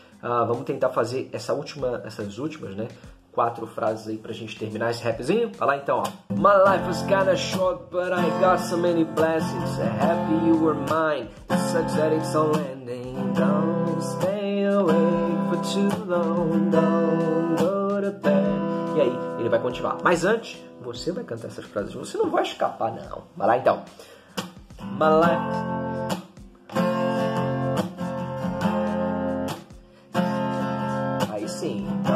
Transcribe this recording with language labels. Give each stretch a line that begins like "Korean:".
Portuguese: Vamos tentar fazer essas últimas, né? Quatro frases aí pra gente terminar esse rapzinho. Vai lá então, ó.
English: My life was kinda short, but I got so many blessings. Happy you were mine. It sucks that it's all ending. Don't stay awake for too long. Don't go to bed.
Portuguese: E aí, ele vai continuar. Mas antes, você vai cantar essas frases. Você não vai escapar, não. Vai lá então. Aí sim.